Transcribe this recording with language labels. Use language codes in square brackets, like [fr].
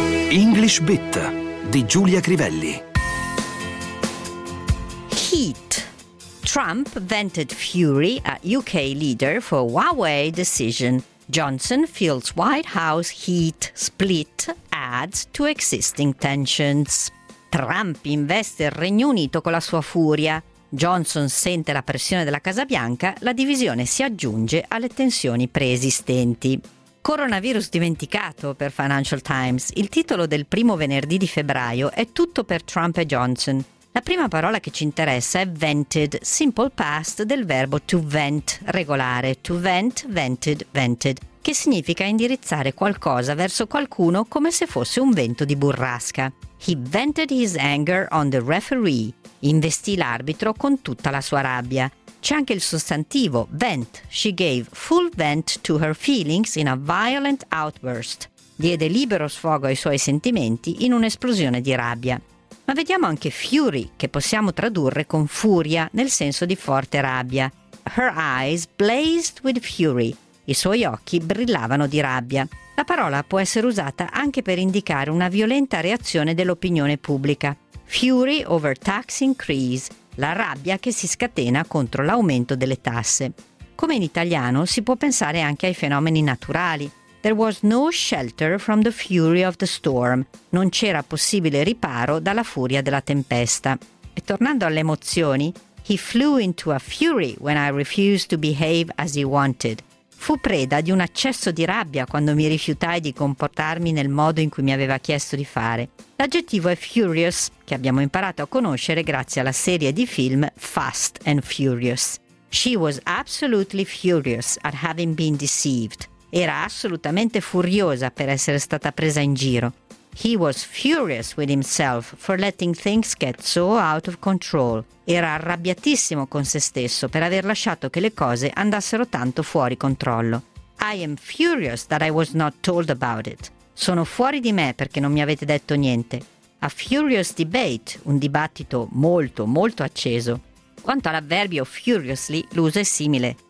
[it] English Bit di Giulia Crivelli. [en] Heat. Trump vented fury at UK leader for Huawei decision. Johnson feels White House heat split adds to existing tensions. [it] Trump investe il Regno Unito con la sua furia. Johnson sente la pressione della Casa Bianca, la divisione si aggiunge alle tensioni preesistenti. Coronavirus dimenticato per Financial Times. Il titolo del primo venerdì di febbraio è tutto per Trump e Johnson. La prima parola che ci interessa è vented, simple past del verbo to vent, regolare, to vent, vented, vented, che significa indirizzare qualcosa verso qualcuno come se fosse un vento di burrasca. [en] He vented his anger on the referee. [it] Investì l'arbitro con tutta la sua rabbia. C'è anche il sostantivo vent. [en] She gave full vent to her feelings in a violent outburst. [it] Diede libero sfogo ai suoi sentimenti in un'esplosione di rabbia. Ma vediamo anche fury, che possiamo tradurre con furia, nel senso di forte rabbia. [en] Her eyes blazed with fury. [it] I suoi occhi brillavano di rabbia. La parola può essere usata anche per indicare una violenta reazione dell'opinione pubblica. [en] Fury over tax increase, [it] la rabbia che si scatena contro l'aumento delle tasse. Come in italiano, si può pensare anche ai fenomeni naturali. [en] There was no shelter from the fury of the storm. [it] Non c'era possibile riparo dalla furia della tempesta. E tornando alle emozioni, [en] he flew into a fury when I refused to behave as he wanted. [it] Fu preda di un accesso di rabbia quando mi rifiutai di comportarmi nel modo in cui mi aveva chiesto di fare. L'aggettivo è furious, che abbiamo imparato a conoscere grazie alla serie di film Fast and Furious. [en] She was absolutely furious at having been deceived. [it] Era assolutamente furiosa per essere stata presa in giro. [en] He was furious with himself for letting things get so out of control. [it] Era arrabbiatissimo con se stesso per aver lasciato che le cose andassero tanto fuori controllo. [en] I am furious that I was not told about it. [it] Sono fuori di me perché non mi avete detto niente. [en] A furious debate, [it] un dibattito molto, molto acceso. Quanto all'avverbio furiously, l'uso è simile.